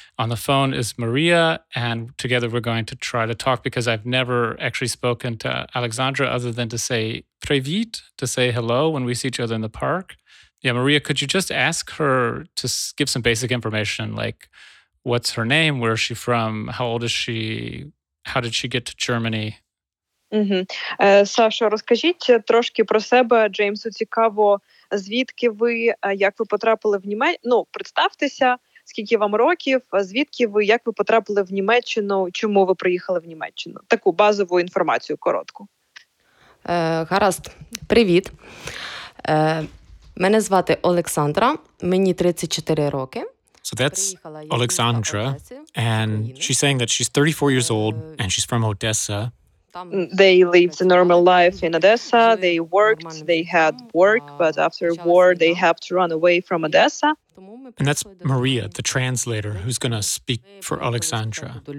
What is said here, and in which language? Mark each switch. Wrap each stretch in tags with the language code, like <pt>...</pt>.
<en>On the phone is Maria, and together we're going to try to talk, because I've never actually spoken to Alexandra other than to say privit, to say hello when we see each other in the park. Yeah, Maria, could you just ask her to give some basic information, like what's her name, where is she from, how old is she, how did she get to Germany?</en> <uk>Сашо, розкажіть трошки про себе. Джеймсу цікаво, звідки ви, як ви потрапили в Німеччину? Ну, представтеся, скільки вам років, звідки ви, як ви потрапили в Німеччину, чому ви приїхали в Німеччину? Таку базову інформацію коротку. Гаразд, привіт. Мене звати Олександра, мені 34 роки.</uk> <en>So that's Олександра, and she's saying that she's 34 years old and she's from Odessa. They lived a normal life in Odessa. They worked, they had work, but after war, they have to run away from Odessa. And that's Maria, the translator, who's going to speak for Alexandra.</en>